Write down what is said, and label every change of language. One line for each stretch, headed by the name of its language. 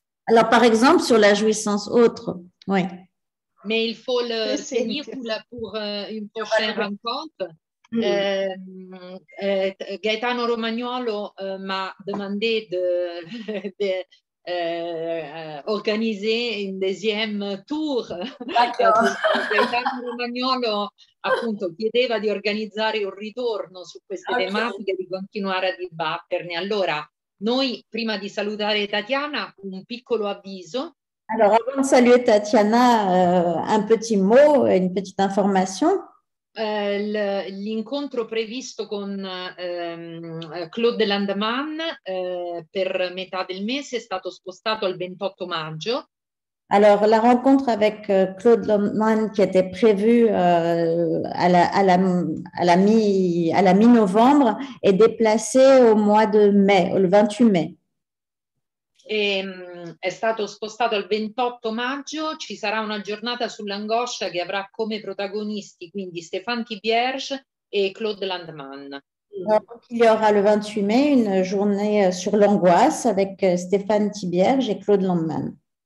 French: Alors, par exemple, sur la jouissance autre, oui. Mais il faut le tenir pour une prochaine rencontre. Gaetano Romagnolo m'a demandé de organiser une deuxième tour.
Italian: Gaetano Romagnolo appunto chiedeva di organizzare un ritorno su queste tematiche, di continuare a dibatterne. Allora, noi prima di salutare Tatiana, un piccolo avviso.
French: Alors, avant de saluer Tatiana, un petit mot, une petite information.
Italian: L'incontro previsto con Claude Landman per metà del mese è stato spostato al 28 maggio.
French: Alors, la rencontre avec Claude Landman qui était prévue à la mi-novembre est déplacée au mois de mai, le 28 mai.
Italian: Et, è stato spostato al 28 maggio, ci sarà una giornata sull'angoscia che avrà come protagonisti quindi Stéphane Thibierge e Claude Landman.
French: Il y aura le 28 mai
Italian: una giornata
French: sur l'angoisse avec Stéphane Thibierge e Claude Landman.